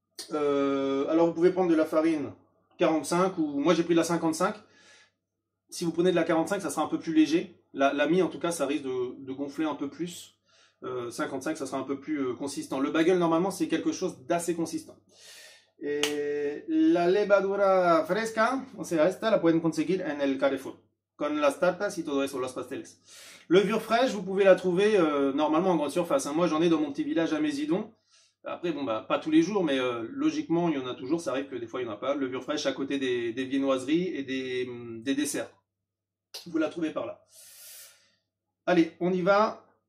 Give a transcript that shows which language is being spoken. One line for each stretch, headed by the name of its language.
French: Alors vous pouvez prendre de la farine 45, ou moi j'ai pris de la 55. Si vous prenez de la 45, ça sera un peu plus léger. La mie en tout cas, ça risque de gonfler un peu plus. 55, ça sera un peu plus consistant. Le bagel, normalement, c'est quelque chose d'assez consistant.
Spanish: Et la levadura fresca, o sea, esta la pueden conseguir en el Carrefour. Con las tartas y todo eso, los pasteles.
French: Levure fraîche, vous pouvez la trouver normalement en grande surface. Moi, j'en ai dans mon petit village à Mézidon. Après, bon, bah, pas tous les jours, mais logiquement, il y en a toujours. Ça arrive que des fois, il n'y en a pas. Levure fraîche à côté des viennoiseries et des desserts. Vous la trouvez par là. Allez, on y va.